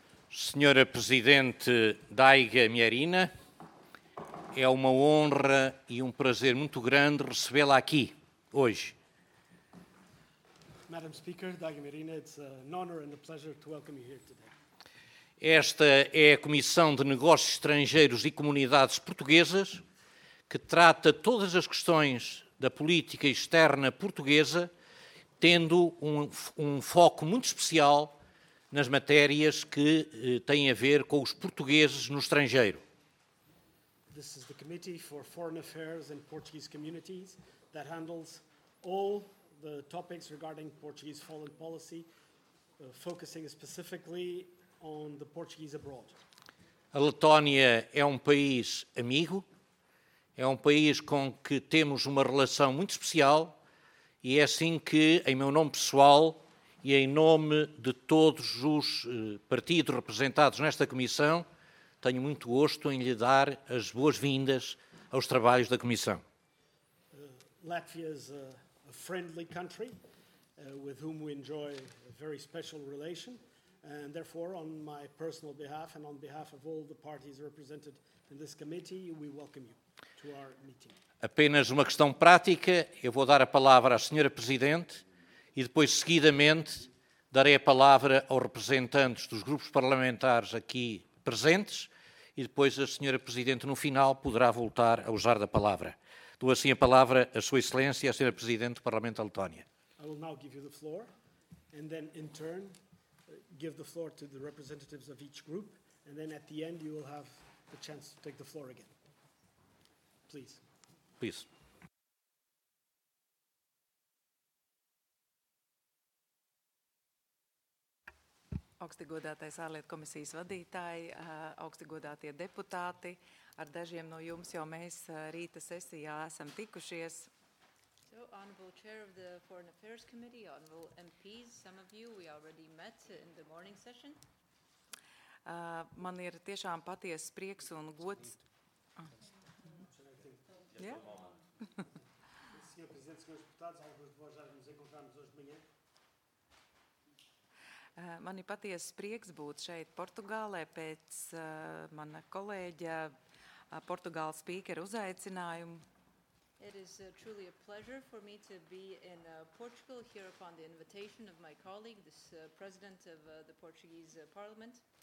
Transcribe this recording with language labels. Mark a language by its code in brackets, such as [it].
[pt] Senhora Presidente Daiga Mearina, é uma honra e um prazer muito grande recebê-la aqui, hoje. [en] Madam Speaker, Daiga Mearina, it's an honor and a pleasure to welcome you here today. [pt] Esta é a Comissão de Negócios Estrangeiros e Comunidades Portuguesas, que trata todas as questões da política externa portuguesa, tendo um foco muito especial nas matérias que têm a ver com os portugueses no estrangeiro. [en] This is the Committee for Foreign Affairs and Portuguese Communities that handles all the topics regarding Portuguese foreign policy, focusing specifically on the Portuguese abroad. [pt] A Letónia é um país amigo, é um país com que temos uma relação muito especial. E é assim que, em meu nome pessoal e em nome de todos os partidos representados nesta Comissão, tenho muito gosto em lhe dar as boas-vindas aos trabalhos da Comissão. [en] Latvia is a friendly country with whom we enjoy a very special relation, and therefore, on my personal behalf and on behalf of all the parties represented in this committee, we welcome you to our meeting. [pt] Apenas uma questão prática, eu vou dar a palavra à Senhora Presidente e depois, seguidamente, darei a palavra aos representantes dos grupos parlamentares aqui presentes e depois a Senhora Presidente, no final, poderá voltar a usar da palavra. Dou assim a palavra à Sua Excelência, à Senhora Presidente do Parlamento da Letónia. [en] I will now give you the floor and then, in turn, give the floor to the representatives of each group and then, at the end, you will have the chance to take the floor again. Please. Please. [lv] Augsti godātais ārlietu komisijas vadītāji, augsti godātie deputāti, ar dažiem no jums jau mēs rīta sesijā esam tikušies. [en] So, Honorable Chair of the Foreign Affairs Committee, Honorable MPs, some of you we already met in the morning session. [lv] Man ir tiešām patiesa prieks un gods. [pt] Yeah? Senhor Presidente, Srs. Deputados, alguns de vós já nos encontramos hoje de manhã. [lv] Man ir patiesa prieks būt šeit Portugālē pēc mana kolēģa Portugāla speaker uzaicinājumu. [en] It is truly a pleasure for me to be in Portugal here upon the invitation of my colleague, this president of the Portuguese parliament.